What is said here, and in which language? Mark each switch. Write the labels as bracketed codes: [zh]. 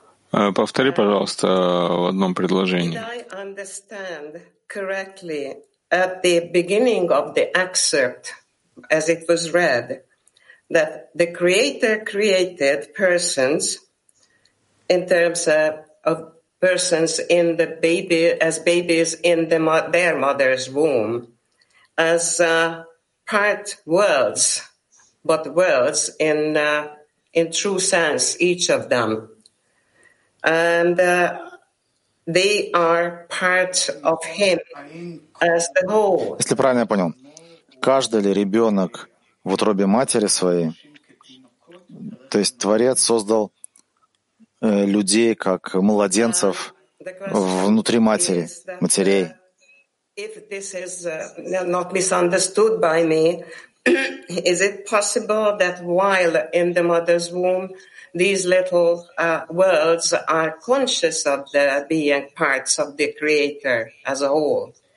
[ru] Повтори, пожалуйста, в одном предложении. [en] Did I understand correctly at the beginning of the excerpt, as it was read, that the Creator created persons in terms of persons in the baby as babies in their mother's womb as part worlds, but worlds in true sense, each of them. And they are part of him as the whole. [ru] Если правильно я понял, каждый ли ребенок в утробе матери своей, то есть Творец создал людей как младенцев внутри матери, матерей? [en] If this is not misunderstood by me, is it possible that while in the mother's womb, these little worlds are conscious of the being parts of the Creator as a whole.